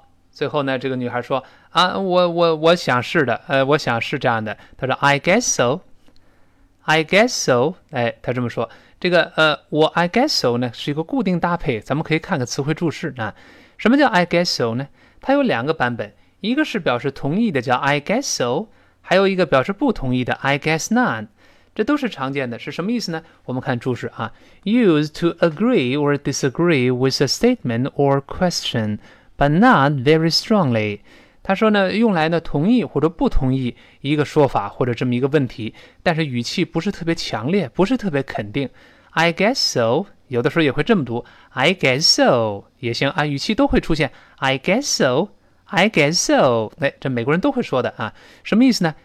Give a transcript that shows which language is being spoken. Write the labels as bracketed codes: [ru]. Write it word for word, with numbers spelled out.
[zh] 最后呢，这个女孩说啊，我我我想是的，呃，我想是这样的。 [en] 她说 ，I guess so, I guess so。 [zh] 哎，她这么说，这个呃，我 I guess so 呢是一个固定搭配，咱们可以看个词汇注释啊。什么叫 I guess so 呢？它有两个版本，一个是表示同意的叫 I guess so， 还有一个表示不同意的 [en] I guess not。 [zh] 这都是常见的，是什么意思呢？我们看注释啊 [en] ，used to agree or disagree with a statement or question。 But not very strongly， [zh] 他说呢，用来呢同意或者不同意一个说法或者这么一个问题，但是语气不是特别强烈，不是特别肯定。 I guess so， 有的时候也会这么读 ，I guess so 也行啊，语气都会出现 I guess so， I guess so， 哎，这美国人都会说的啊，什么意思呢？